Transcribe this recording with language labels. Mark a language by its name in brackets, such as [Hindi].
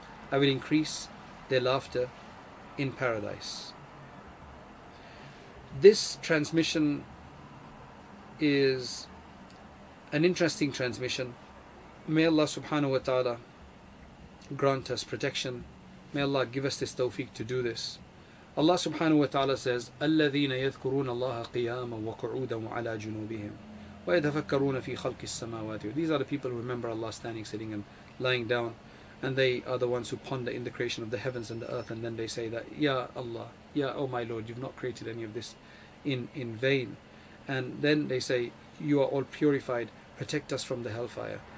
[English] I will increase their laughter in paradise. This transmission is an interesting transmission. May Allah subhanahu wa ta'ala grant us protection. May Allah give us this tawfiq to do this. Allah subhanahu wa ta'ala says, [Arabic] الَّذِينَ يَذْكُرُونَ اللَّهَ قِيَامًا وَقُعُودًا وَعَلَى جُنُوبِهِمْ وَيَتَفَكَّرُونَ فِي خَلْقِ السَّمَاوَاتِ. [English] These are the people who remember Allah standing, sitting and lying down. And they are the ones who ponder in the creation of the heavens and the earth. And then they say that, Ya Allah, Ya O my Lord, you've not created any of this in vain. And then they say, you are all purified, protect us from the hellfire.